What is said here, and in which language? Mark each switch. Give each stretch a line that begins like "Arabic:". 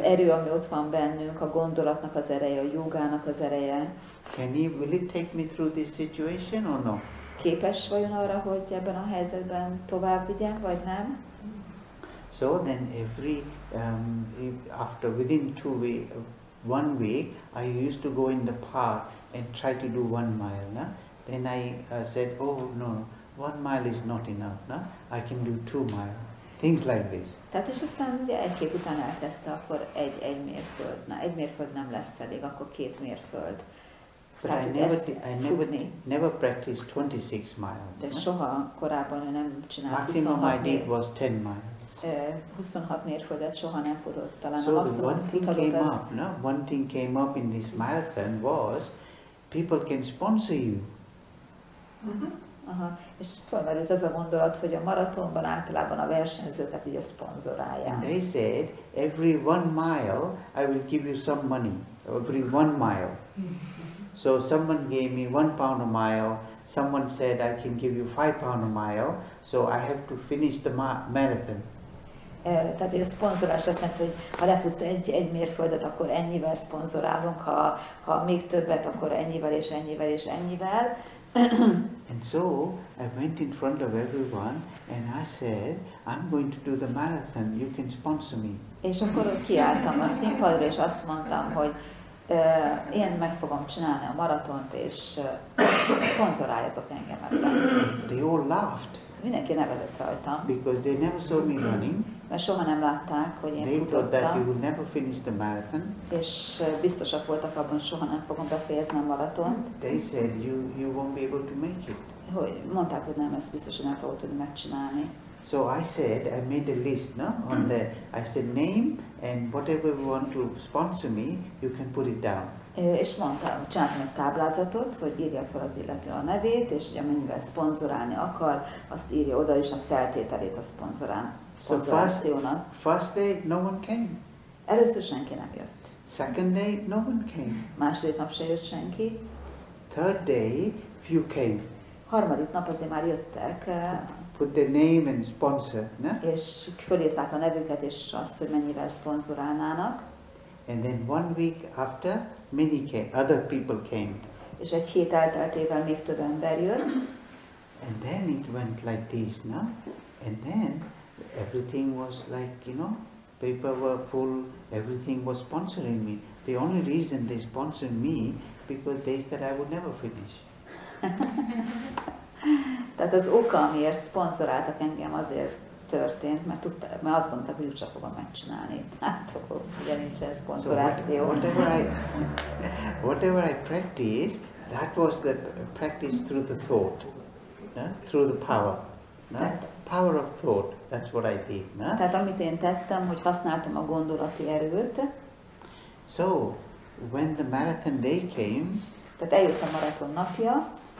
Hungarian: erő, ami ott van bennünk, a gondolatnak az ereje, a jogának az ereje.
English: Will it take me through this situation or no?
Hungarian: Képes vajon arra, hogy ebben a helyzetben tovább vigyen, vagy nem?
English: So then every after within 1 week, I used to go in the park and try to do 1 mile. Na? Then I said, oh no, 1 mile is not enough. Na? I can do 2 miles. Things like this.
Hungarian: Tehát és aztán ugye egy hét után elkezdte, akkor egy mérföld. Na, egy mérföld nem lesz elég, akkor 2 mérföld.
English: I never practiced 26 miles.
Hungarian: De soha korábban ő nem csinált 26
English: mérföldet. Maximum I did was 10 miles.
Hungarian: 26 mérföldet soha nem futott. Talán
English: so one thing came up, no? One thing came up in this marathon was, people can sponsor you.
Hungarian: És felmerült az a gondolat, hogy a maratonban általában a versenyzőket így a szponzorálják.
English: And they said, every 1 mile I will give you some money. Every 1 mile. So someone gave me £1 a mile. Someone said I can give you £5 a mile. So I have to finish the marathon.
Hungarian: Tehát, hogy a szponzorás azt jelenti, hogy ha lefutsz egy mérföldet, akkor ennyivel szponzorálunk, ha még többet, akkor ennyivel és ennyivel és ennyivel.
English: And so I went in front of everyone and I said, I'm going to do the marathon, you can sponsor me.
Hungarian: És akkor kiálltam a színpadra, és azt mondtam, hogy én meg fogom csinálni a maratont, és szponzoráljatok engem ebben.
English: They all laughed.
Hungarian: Mindenki nevetett rajtam.
English: Because they never saw me running.
Hungarian: Mert soha nem látták, hogy én
English: they
Hungarian: futottam.
English: They thought that you would never finish the marathon.
Hungarian: És biztosak voltak abban, soha nem fogom befejezni a maratont.
English: They said you won't be able to make it.
Hungarian: Hogy mondták, hogy nem, ezt biztosan nem fogod tudni megcsinálni.
English: So I said, I made a list, no? On the, I said name and whatever you want to sponsor me, you can put it down.
Hungarian: És mondtam, csináltam egy táblázatot, hogy írja fel az illető a nevét, és hogy amennyivel szponzorálni akar, azt írja oda is a feltételét a szponzorációnak.
English: So first day, no one came.
Hungarian: Először senki nem jött.
English: Second day, no one came.
Hungarian: Második nap se jött senki.
English: Third day, few came.
Hungarian: Harmadik nap azért már jöttek.
English: Put their name and sponsor, no?
Hungarian: És fölírták a nevüket, és azt, hogy mennyivel szponzorálnának.
English: And then one week after, many came, other people came.
Hungarian: És egy hét elteltével még több ember jött.
English: And then it went like this, no? And then everything was like, you know, paper were full, everything was sponsoring me. The only reason they sponsored me, because they said I would never finish.
Hungarian: Tehát az oka, amiért szponzoráltak engem, azért történt, mert tudta, mert azt gondoltak, hogy úgysem fogom megcsinálni. Hát, ugye nincsen szponzoráció.
English: So whatever I practiced, that was the practice through the thought, through the power. Power of thought, that's what I did.
Hungarian: Tehát amit én tettem, hogy használtam a gondolati erőt.
English: So, when the marathon day came,
Hungarian: tehát eljött a maraton napja.